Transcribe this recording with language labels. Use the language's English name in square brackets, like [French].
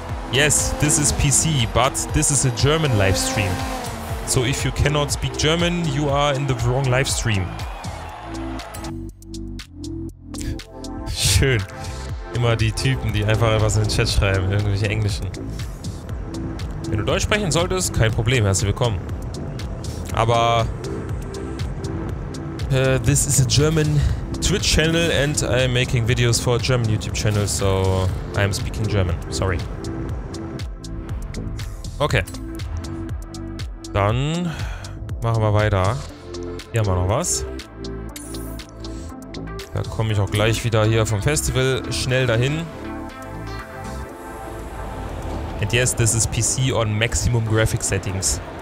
[English] Yes, this is PC, but this is a German livestream. So if you cannot speak German, you are in the wrong livestream. [German] Schön. Immer die Typen, die einfach was in den Chat schreiben, irgendwelche Englischen. Wenn du Deutsch sprechen solltest, kein Problem, herzlich willkommen. [English] Aber this is a German Twitch channel and I'm making videos for a German YouTube channel, so I'm speaking German. Sorry. [German] Okay. Dann machen wir weiter. Hier haben wir noch was. Da komme ich auch gleich wieder hier vom Festival schnell dahin. [English] And yes, this is PC on maximum graphic settings.